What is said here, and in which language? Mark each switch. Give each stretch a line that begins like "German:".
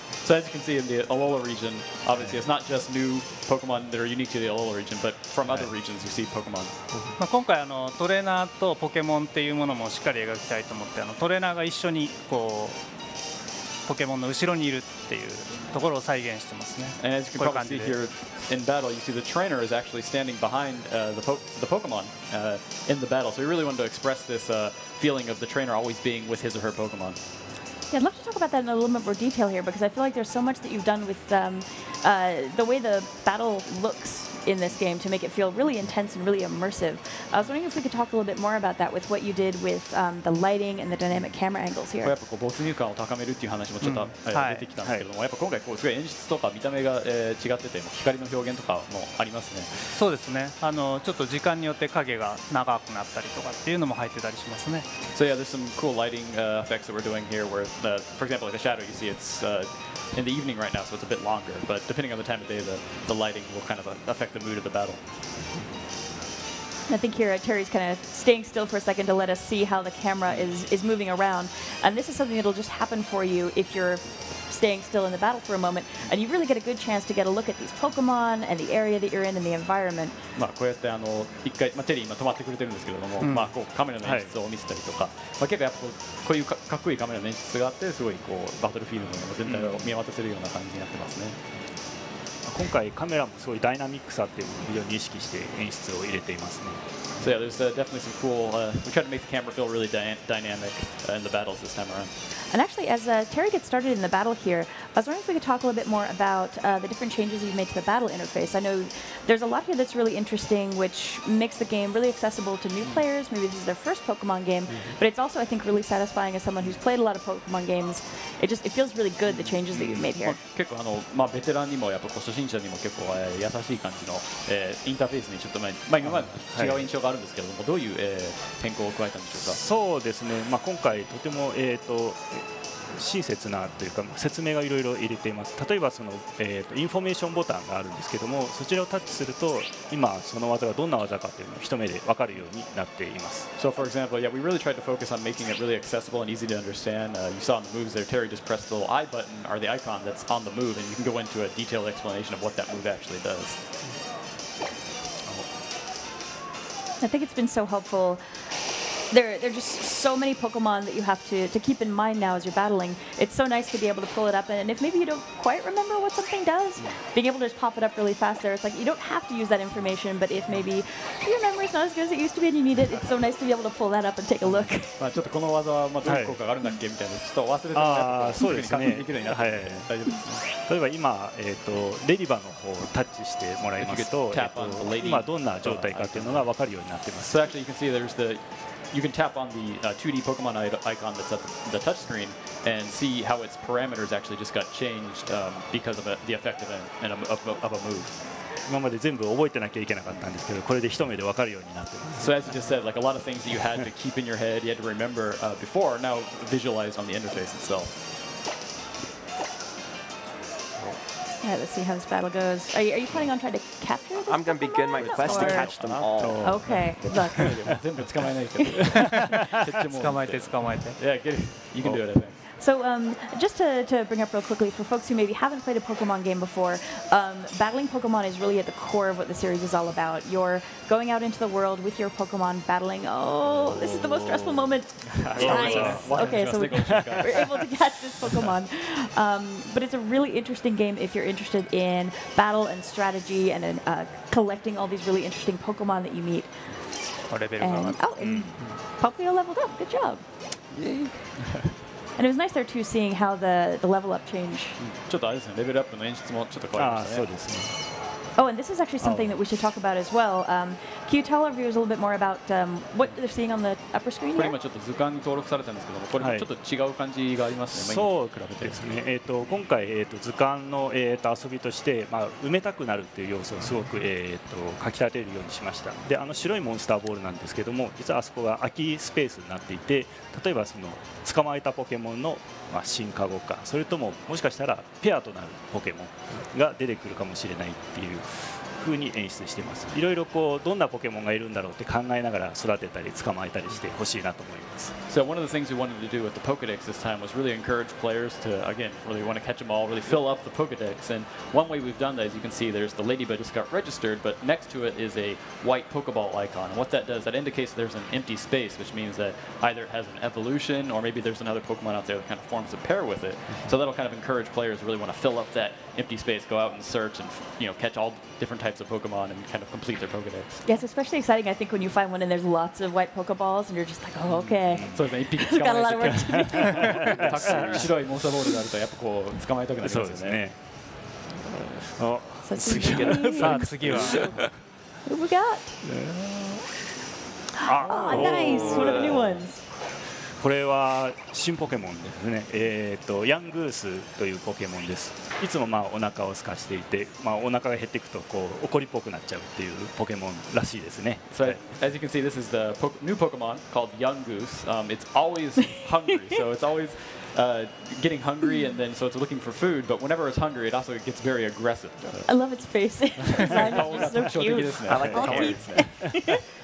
English: So as you can see in the Alola region obviously it's not just new Pokemon that are unique to the Alola region but from other regions you see Pokemon、
Japanese: まあ、今回トレーナーとポケモンっていうものもしっかり描きたいと思ってトレーナーが一緒にこうポケモンの後ろにいるっていうところを再現してますね。
English: And as you can probably see here in battle, you see the trainer is actually standing behind the Pokemon in the battle. So we really wanted to express this feeling of the trainer always being with his or her Pokemon. Yeah, I'd love to talk about that in a little bit more detail here because I feel like there's so much that you've done with the way the battle looks in this game to make it feel really intense and really immersive. I was wondering if we could talk a little bit more about that with what you did with the lighting and the dynamic camera angles here.
Japanese: やっぱこう没入感を高めるっていう話もちょっと、はい、出てきたんですけども、はい、やっぱ今回こうすごい演出とか見た目が、違ってて、光の表現とかもありますね。そうですね。ちょっと時間によって影が長くなったりとかっていうのも入ってたりしますね。
English: So yeah, there's some cool lighting effects that we're doing here where, for example, like a shadow, you see it's in the evening right now, so it's a bit longer, but depending on the time of day, the lighting will kind of affect the mood of the battle. I think here Terry's kind of staying still for a second to let us see how the camera is moving around. And this is something that'll just happen for you if you're staying still in the battle for a moment, and you really get a good chance to get a look at these Pokemon and the area that you're in and the environment.
Japanese: まあこうやってあの一回まあテリー今止まってくれてるんですけれども、まあこうカメラの演出を見せたりとか、まあ結構やっぱこういうかっこいいカメラの演出があってすごいこうバトルフィールドの全体を見渡せるような感じになってますね。今回カメラもすごいダイナミックさっていうのを非常に意識して演出を入れていますね。
English: So yeah, there's definitely some cool. We try to make the camera feel really dynamic in the battles this time around. And actually, as Terry gets started in the battle here, I was wondering if we could talk a little bit more about the different changes you've made to the battle interface. I know there's a lot here that's really interesting, which makes the game really accessible to new players. Maybe this is their first Pokemon game, but it's also, I think, really satisfying as someone who's played a lot of Pokemon games. It feels really good, the changes that you've made here.
Japanese: 結構あのまあベテランにもやっぱこう初心者にも結構優しい感じのインターフェースにちょっと前まあ今まで違う印象があるんですけれども、どういう変更を加えたんでしょうか。そうですね。まあ今回とても親切なというか説明がいろいろ入れています。例えばその、インフォメーションボタンがあるんですけども、そちらをタッチすると今その技がどんな技かというのを一目で分かるようになっています。
English: So for example, yeah, we really tried to focus on making it really accessible and easy to understand. You saw in the moves there, Terry just pressed the little I button or the icon that's on the move, and you can go into a detailed explanation of what that move actually does. I think it's been so helpful. There are just so many Pokemon that you have to keep in mind now as you're battling. It's so nice to be able to pull it up, and if maybe you don't quite remember what something does, being able to just pop it up really fast there, it's like you don't have to use that information, but if maybe your memory is not as good as it used to be and you need it, it's so nice to be able to pull that up and take a look.
Japanese: まあちょっとこの技はどういう効果があるんだっけみたいな、ちょっと忘れてたね。ああ、そうですね。できるようになって。例えば今、レディバの方をタッチしてもらいますと、今どんな状態かっていうのが分かるようになってます。
English: So actually you can see there's theYou can tap on the 2D Pokemon icon that's at the touch screen and see how its parameters actually just got changed because of the effect of a move.
Japanese: 今まで全部覚えてなきゃいけなかったんですけど、これで一目で分かるようになってます。
English: So as you just said, like a lot of things that you had to keep in your head, you had to remember before, now visualized on the interface itself. All right, let's see how this battle goes. Are you planning on trying to capture this? I'm going to begin my quest to catch them all. Okay, look. You can do it, I think. So just to bring up real quickly, for folks who maybe haven't played a Pokemon game before, battling Pokemon is really at the core of what the series is all about. You're going out into the world with your Pokemon, battling. Oh, this is the most stressful moment. Nice. Okay, so we're able to catch this Pokemon. But it's a really interesting game if you're interested in battle and strategy and collecting all these really interesting Pokemon that you meet. Popplio leveled up. Good job. Yay. And it was nice there too, seeing how the level up change.
Japanese: ちょっとあれですね、レベルアップの演出もちょっと変わりましたね。そうですね。
English: Oh, and this is actually something that we should talk about as well. Can you tell our viewers a little bit more about what they're seeing on the upper screen?
Japanese: これ今ちょっと図鑑に登録されたんですけども、これもちょっと違う感じがありますね。そう比べてですね。今回図鑑の遊びとして、まあ埋めたくなるっていう要素をすごく書き立てるようにしました。で、あの白いモンスターボールなんですけども、実はあそこが空きスペースになっていて、例えばその捕まえたポケモンの進化後か、それとももしかしたらペアとなるポケモンが出てくるかもしれないっていう風に演出しています。いろいろこうどんなポケモンがいるんだろうって考えながら育てたり捕まえたりしてほしいなと思います。
English: So one of the things we wanted to do with the Pokedex this time was really encourage players to again really want to catch them all, really fill up the Pokedex. And one way we've done that, as you can see, there's the ladybug just got registered, but next to it is a white Pokeball icon. And what that does, that indicates there's an empty space, which means that either it has an evolution or maybe there's another Pokemon out there that kind of forms a pair with it. So that'll kind of encourage players to really want to fill up that empty space, go out and search and, you know, catch all different types of Pokemon and kind of complete their Pokedex. Yes, especially exciting, I think, when you find one and there's lots of white Pokeballs and you're just like, oh, okay. So it's like, we've got a lot of work to do.
Japanese: たくさん白いモンスターボールがあるとやっぱこう捕まえたくなりますよね。そうですね。さあ次は。
English: What have we got? Oh, nice! One of the new ones!
Japanese: これは新ポケモンですね。ヤングースというポケモンです。いつもまあお腹を空かしていて、まあお腹が減っていくとこう怒りっぽくなっちゃうっていうポケモンらしいですね。
English: So as you can see, this is the new Pokemon called Young Goose. It's always hungry, so it's always getting hungry, and then so it's looking for food. But whenever it's hungry, it also gets very aggressive. I love its face. It's so cute. I like the color.